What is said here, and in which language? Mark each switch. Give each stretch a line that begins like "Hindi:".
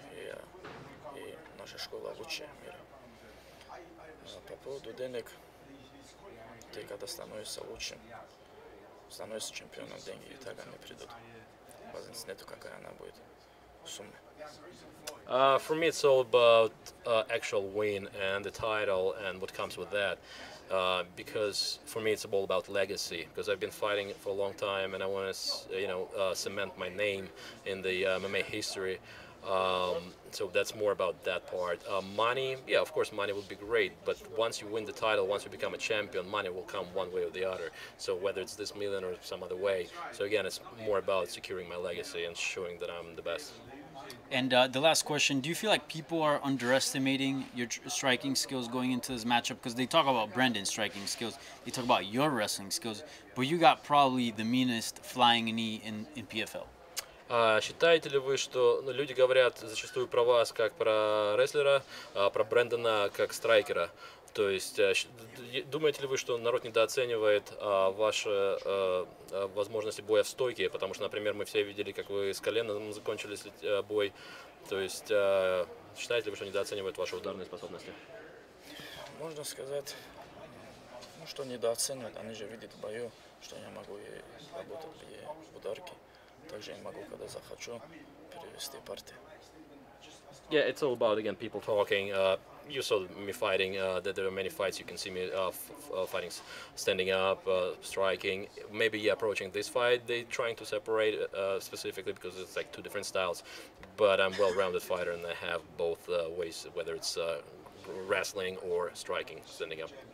Russian: И наша школа лучшая в мире. По поводу денег, ты когда становишься лучшим, становишься чемпионом, деньги и так они придут. Разницы нету, какая она будет сумма.
English: For me, it's all about actual win and the title and what comes with that. Because for me, it's all about legacy. Because I've been fighting for a long time, and I want to, you know, cement my name in the MMA history. So that's more about that part. Money, yeah, of course money would be great, but once you win the title, once you become a champion, money will come one way or the other. So whether it's this million or some other way. So again, it's more about securing my legacy and showing that I'm the best. And the last question, do you feel like people are underestimating your striking skills going into this matchup? Because they talk about Brendan's striking skills, they talk about your wrestling skills, but you got probably the meanest flying knee in PFL.
Russian: Считаете ли вы, что люди говорят зачастую про вас как про рестлера, а про Брэндона как страйкера? То есть думаете ли вы, что народ недооценивает ваши возможности боя в стойке? Потому что, например, мы все видели, как вы с коленом закончили бой. То есть считаете ли вы, что недооценивают ваши ударные способности? Можно сказать, ну, что недооценивают. Они же видят в бою, что я могу и работать и ударки. Также я могу, когда захочу, перевести партию.
English: Yeah, it's all about, again, people talking. You saw me fighting, that there are many fights. You can see me fighting, standing up, striking. Maybe yeah, approaching this fight, they're trying to separate specifically because it's like two different styles. But I'm a well-rounded fighter and I have both ways, whether it's wrestling or striking, standing up.